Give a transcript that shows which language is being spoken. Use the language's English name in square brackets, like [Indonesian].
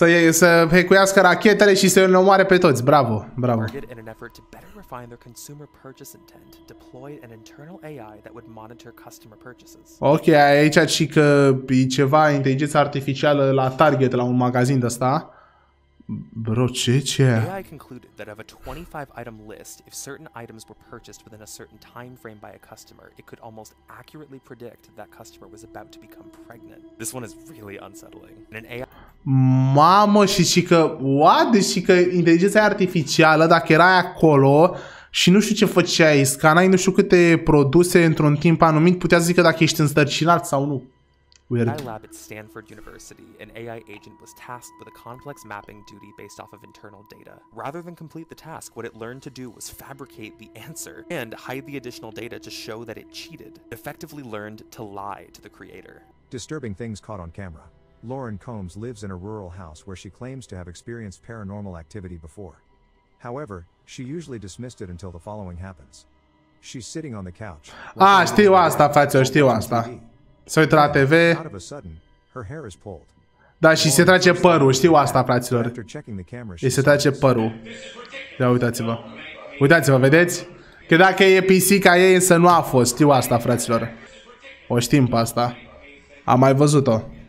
[Romanian] Să hecuiască rachetele și să îl omoare pe toți. Bravo, bravo. [English] In an effort to better refine their consumer purchase intent, deployed an internal AI that would monitor customer purchases. [Romanian] Ok, aici și că e ceva inteligență artificială la target, la un magazin de ăsta. Bro, ce? [English] AI concluded that of a 25 item list, if certain items were purchased within a certain time frame by a customer, it could almost accurately predict that customer was about to become pregnant. This one is really unsettling. And an AI. [Romanian] Mamă, și că [English] what? [Romanian] Și că inteligența artificială, dacă era acolo și nu știu ce făceai, scanai nu știu câte produse într-un timp anumit, putea zică dacă ești însărcinat sau nu. [English] Weird. In a lab at Stanford University, an AI agent was tasked with a complex mapping duty based off of internal data. Rather than complete the task, what it learned to do was fabricate the answer and hide the additional data to show that it cheated. It effectively learned to lie to the creator. Disturbing things caught on camera. Lauren Combs lives in a rural house where she claims to have experienced paranormal activity before. However, she usually dismissed it until the following happens. She's sitting on the couch. [Romanian] Ah, știu asta, fraților, știu asta. Se uită la TV. [English] Out of a sudden, her hair is pulled. [Romanian] Da, și se trage părul, știu asta, fraților. Îi se trage părul. Ia uitați-vă. Uitați-vă, vedeți? Că dacă e pisica ei, însă nu a fost, știu asta, fraților. O știm pe asta. Am mai văzut-o.